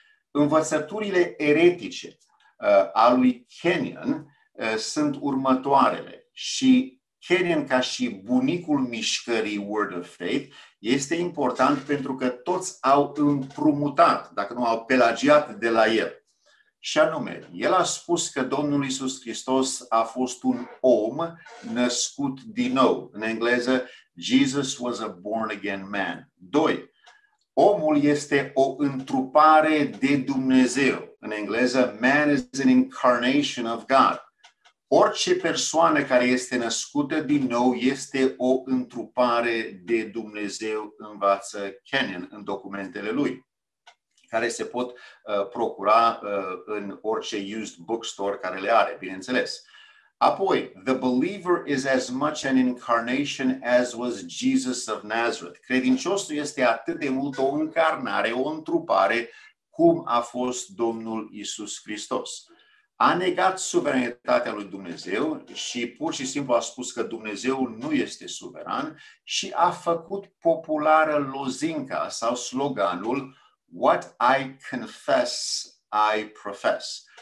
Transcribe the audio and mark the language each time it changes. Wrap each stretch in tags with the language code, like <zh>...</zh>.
<ro>Învățăturile eretice a lui Kenyon sunt următoarele și Kenyon, ca și bunicul mișcării Word of Faith, este important pentru că toți au împrumutat, dacă nu au pelagiat de la el. Și anume, el a spus că Domnul Iisus Hristos a fost un om născut din nou. În engleză,</ro> <en>Jesus was a born again man.</en> <ro>2. Omul este o întrupare de Dumnezeu. În engleză,</ro> <en>man is an incarnation of God.</en> <ro>Orice persoană care este născută din nou este o întrupare de Dumnezeu, învață Kenyon în documentele lui, care se pot procura în orice</ro> <en>used bookstore</en> <ro>care le are, bineînțeles. Apoi,</ro> <en>the believer is as much an incarnation as was Jesus of Nazareth.</en> <ro>Credinciosul este atât de mult o încarnare, o întrupare, cum a fost Domnul Iisus Hristos. A negat suveranitatea lui Dumnezeu și pur și simplu a spus că Dumnezeu nu este suveran și a făcut populară lozinca sau sloganul</ro> <en>What I confess, I profess.</en>